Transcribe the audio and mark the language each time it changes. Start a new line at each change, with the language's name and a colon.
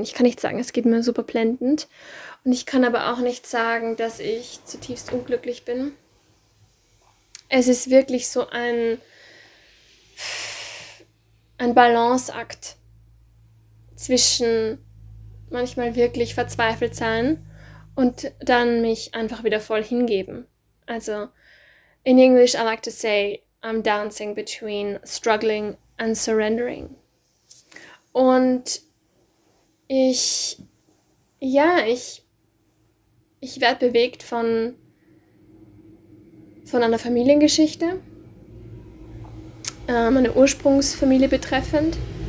German: Ich kann nicht sagen, es geht mir super blendend. Und ich kann aber auch nicht sagen, dass ich zutiefst unglücklich bin. Es ist wirklich so ein Balanceakt zwischen manchmal wirklich verzweifelt sein und dann mich einfach wieder voll hingeben. Also
English: in English I like to say, I'm dancing between struggling and surrendering.
German: Und ich werde bewegt von einer Familiengeschichte, meine Ursprungsfamilie betreffend.